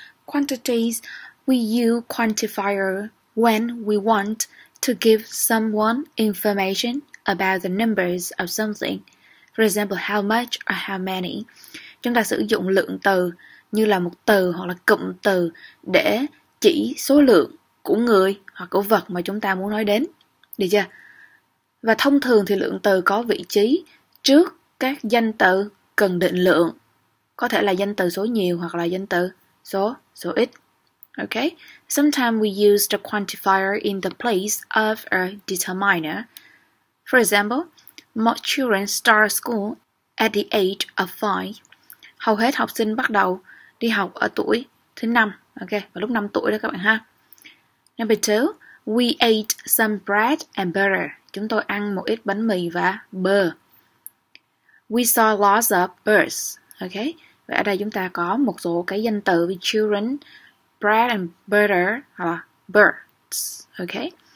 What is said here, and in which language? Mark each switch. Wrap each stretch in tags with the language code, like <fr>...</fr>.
<en>Quantities, we use quantifier when we want to give someone information about the numbers of something. For example, how much or how many.</en> <vi>Chúng ta sử dụng lượng từ như là một từ hoặc là cụm từ để chỉ số lượng của người hoặc của vật mà chúng ta muốn nói đến. Được chưa? Và thông thường thì lượng từ có vị trí trước các danh từ cần định lượng. Có thể là danh từ số nhiều hoặc là danh từ số ít.</vi> <en>Okay? Sometimes we use the quantifier in the place of a determiner. For example, most children start school at the age of 5.</en> <vi>Hầu hết học sinh bắt đầu đi học ở tuổi thứ 5.</vi> <en>Okay,</en> <vi>vào lúc 5 tuổi đó các bạn ha.</vi> <en>Number 2, we ate some bread and butter.</en> <vi>Chúng tôi ăn một ít bánh mì và bơ.</vi> <en>We saw lots of birds.</en> <vi>Okay, và ở đây chúng ta có một số cái danh từ với children, bread and butter, hoặc là birds. Okay.</vi>